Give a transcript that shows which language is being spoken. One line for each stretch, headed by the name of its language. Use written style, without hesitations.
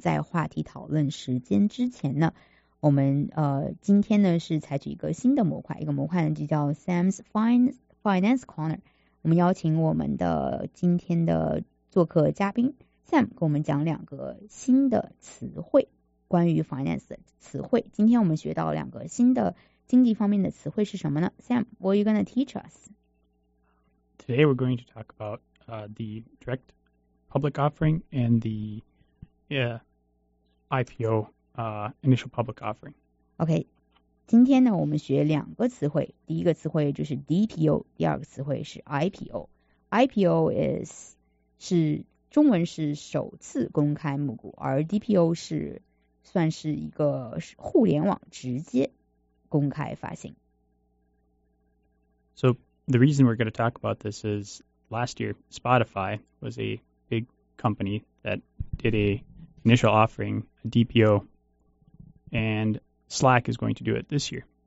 Chinese: 在话题讨论时间之前呢，我们今天呢是采取一个新的模块，一个模块呢就叫 Sam's Finance Corner。我们邀请我们的今天的做客嘉宾 Sam 跟我们讲两个新的词汇，关于 finance 的词汇。今天我们学到两个新的经济方面的词汇是什么呢？
English: Sam, what are you going to teach us? Today we're going to talk aboutthe direct public offering and the IPO initial public offering.
Chinese: OK, 今天呢我们学两个词汇，第一个词汇就是 DPO, 第二个词汇是 IPO。 IPO 是中文是首次公开募股，而 DPO 是算是一个互联网直接公开发行。
English: So the reason we're going to talk about this isLast year, Spotify was a big company that did an initial offering, a DPO, and Slack is going to do it this year.